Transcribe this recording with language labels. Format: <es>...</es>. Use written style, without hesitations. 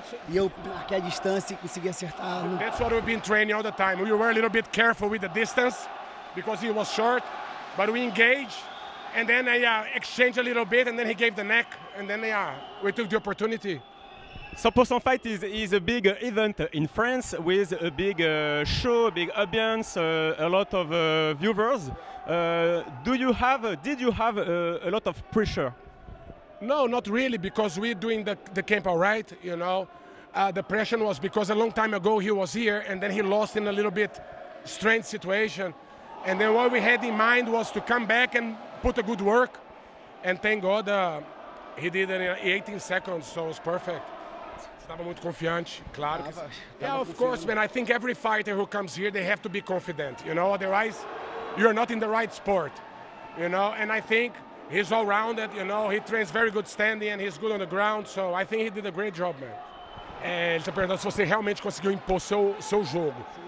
<pt>E eu marquei a distância e consegui acertar.</pt> <en>No... That's what we've been training all the time. We were a little bit careful with the distance because it was short, but we engaged. And then I exchanged a little bit, and then he gave the neck, and then we took the opportunity. 100% fight is a big event in France with a big show, big audience, a lot of viewers. Did you have a lot of pressure? No, not really, because we're doing the camp all right, you know. The pressure was because a long time ago he was here, and then he lost in a little bit strange situation. And then what we had in mind was to come back and put a good work, and thank God he did it in 18 seconds, so it was perfect.</en> <pt>Estava muito confiante, claro.</pt> <en>Of course, man. I think every fighter who comes here, they have to be confident, you know. Otherwise, you're not in the right sport, you know. And I think he's all-rounded, you know. He trains very good standing and he's good on the ground, so I think he did a great job, man.</en> <pt>Ele está perguntando se você realmente conseguiu impor seu jogo.</pt>